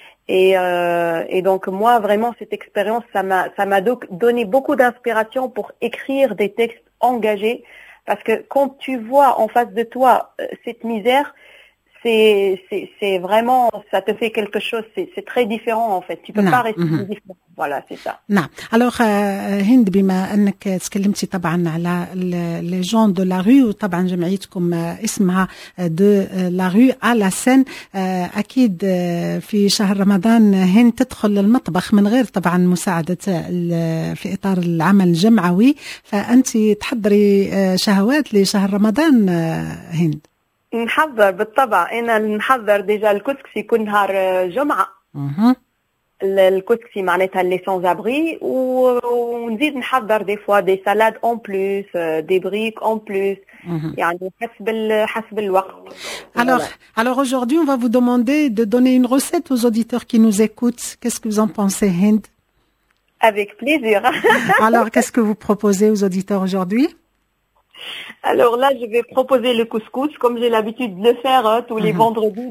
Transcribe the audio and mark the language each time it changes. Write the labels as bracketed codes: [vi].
[fr] Et donc moi vraiment cette expérience ça m'a donné beaucoup d'inspiration pour écrire des textes engagés parce que quand tu vois en face de toi cette misère c'est vraiment ça te fait quelque chose c'est très différent en fait tu peux pas rester indifférent. Voilà, c'est ça. [ar] نعم. Alors, هند بما أنك تكلمتي طبعا على [fr] les gens de la rue [ar] وطبعا جمعيتكم اسمها de la rue à la Seine. أكيد في شهر رمضان هند تدخل للمطبخ من غير طبعا مساعدة في إطار العمل الجمعوي. فأنت تحضري شهوات لشهر رمضان هند. نحضر بالطبع. أنا نحضر ديجا الكسكسي كل نهار جمعة. الكسكسي معناتها لي سانز ابري ونزيد نحضر [fr] دي فوا دي سالاد اون بلوس [ar] دي بريك اون بلوس يعني حسب الوقت. [fr] Alors aujourd'hui on va vous demander de donner une recette aux auditeurs qui nous écoutent. Qu'est-ce que vous en pensez Hind? Avec plaisir. Alors qu'est-ce que vous proposez aux auditeurs aujourd'hui? Alors là, je vais proposer le couscous, comme j'ai l'habitude de le faire tous les vendredis.